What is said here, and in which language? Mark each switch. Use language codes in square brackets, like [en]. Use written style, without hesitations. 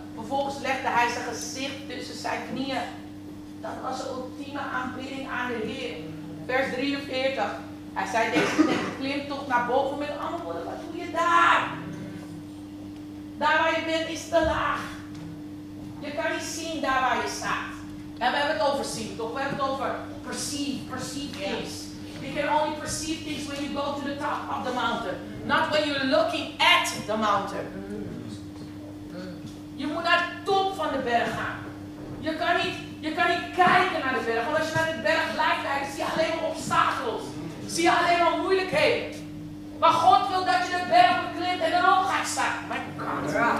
[nl] Vervolgens legde hij zijn gezicht tussen zijn knieën. Dat was de ultieme aanbidding aan de Heer. Vers 43. Hij zei deze knecht, klim toch naar boven met andere woorden. Wat doe je daar? Daar waar je bent is te laag. Je kan niet zien daar waar je staat. En we hebben het over zien, toch? We hebben het over [en] perceive things. You can only perceive things when you go to the top of the mountain. Not when you're looking at the mountain. [nl] Je moet naar de top van de berg gaan. Je kan niet kijken naar de berg. Want als je naar de berg blijft kijken, zie je alleen maar obstakels. Zie je alleen maar moeilijkheden. Maar God wil dat je de berg beklimt en dan ook gaat staan. [en] My God.